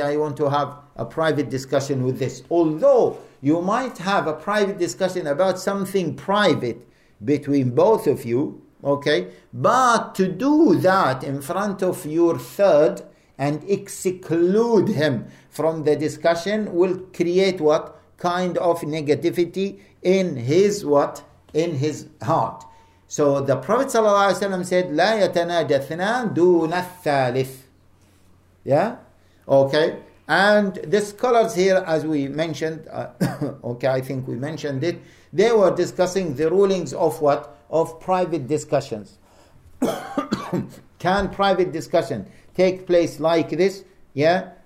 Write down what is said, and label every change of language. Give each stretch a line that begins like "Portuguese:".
English: I want to have a private discussion with this. Although you might have a private discussion about something private between both of you, but to do that in front of your third and exclude him from the discussion will create what kind of negativity in his what? In his heart. So the Prophet ﷺ said,
Arabic: لا يتناجى اثنان دون الثالث.
English: Yeah? Okay. And the scholars here, as we mentioned, I think we mentioned it, they were discussing the rulings of what? Of private discussions. Can private discussion take place like this? Yeah?